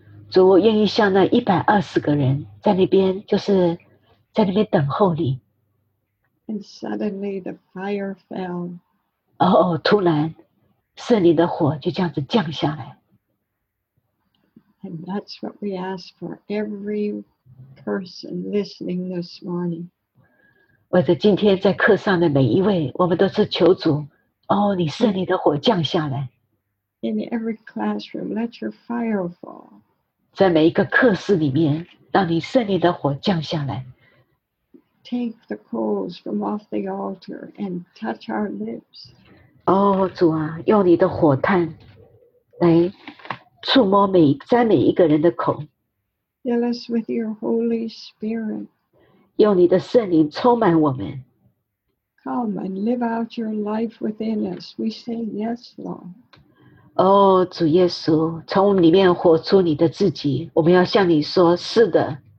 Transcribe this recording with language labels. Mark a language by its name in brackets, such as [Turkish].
[Chinese] 主，我愿意像那120个人在那边，就是在那边等候你。 [English] And suddenly the fire fell. [Chinese] 哦，突然圣灵的火就这样子降下来。 [English] And that's what we ask for everyperson listening this morning. [Chinese] 我的今天在课上的每一位，我们都是求主，哦，你圣灵的火降下来。 [English] In every classroom, let your fire fall. [Chinese] 在每一个课室里面，让你圣灵的火降下来。 [English] Take the coals from off the altar and touch our lips. [Chinese] 哦，主啊，用你的火炭来触摸每沾每一个人的口。 [English] Fill us with your Holy Spirit. [Chinese] 用你的圣灵充满我们。 [English] Come and live out your life within us. We say yes, Lord. [Chinese] 哦，主耶稣，从里面活出你的自己，我们要向你说是的。